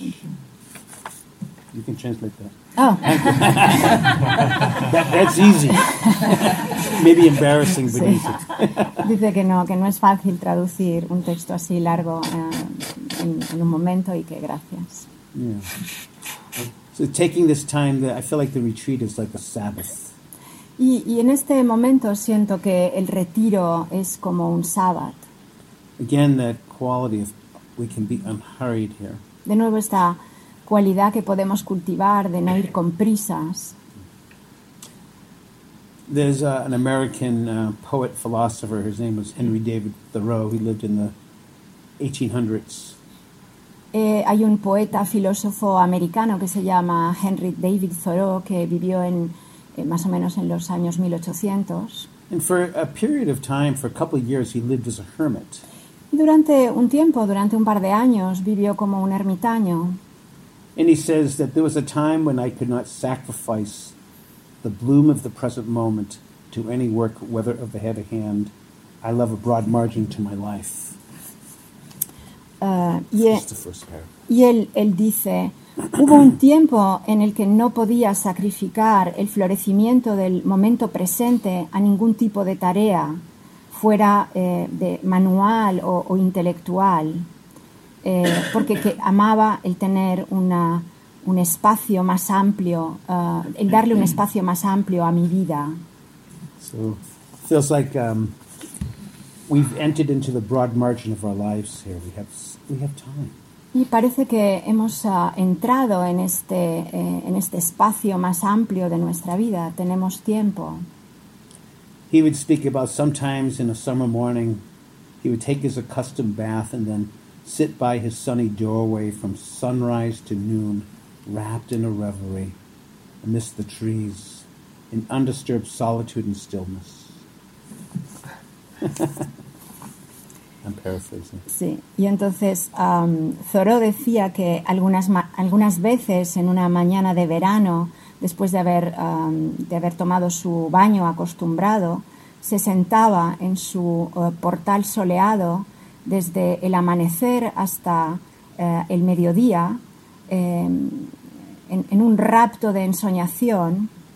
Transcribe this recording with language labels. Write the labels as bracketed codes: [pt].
[en] You can translate that. Oh. That's easy. Maybe embarrassing, but sí. Easy. [es] Dice que no es fácil traducir un texto así largo en un momento y que gracias. [en] Yeah. So taking this time, that I feel like the retreat is like a Sabbath. [es] Y en este momento siento que el retiro es como un sábado. [en] Again, that quality of we can be unhurried here. [es] De nuevo esta cualidad que podemos cultivar de no ir con prisas. [en] There's an American poet philosopher. His name was Henry David Thoreau. He lived in the 1800s. [es] Hay un poeta filósofo americano que se llama Henry David Thoreau que vivió en más o menos en los años 1800. [en] And for a period of time, for a couple of years, he lived as a hermit. [es] Y durante un tiempo, durante un par de años, vivió como un ermitaño. [en] And he says that there was a time when I could not sacrifice the bloom of the present moment to any work, whether of the head or hand. I love a broad margin to my life. Just the first paragraph. [es] Y él dice, hubo un tiempo en el que no podía sacrificar el florecimiento del momento presente a ningún tipo de tarea, fuera de manual o intelectual, porque que amaba el tener un espacio más amplio, el darle un espacio más amplio a mi vida. [en] So, feels like we've entered into the broad margin of our lives here. We have time. [es] Y parece que hemos entrado en este espacio más amplio de nuestra vida. Tenemos tiempo. [en] He would speak about sometimes in a summer morning, he would take his accustomed bath and then sit by his sunny doorway from sunrise to noon, wrapped in a reverie, amidst the trees, in undisturbed solitude and stillness. I'm paraphrasing. [es] Sí, y entonces Thoreau decía que algunas veces en una mañana de verano, después de haber tomado su baño acostumbrado, se sentaba en su portal soleado desde el amanecer hasta el mediodía en un rapto de ensoñación.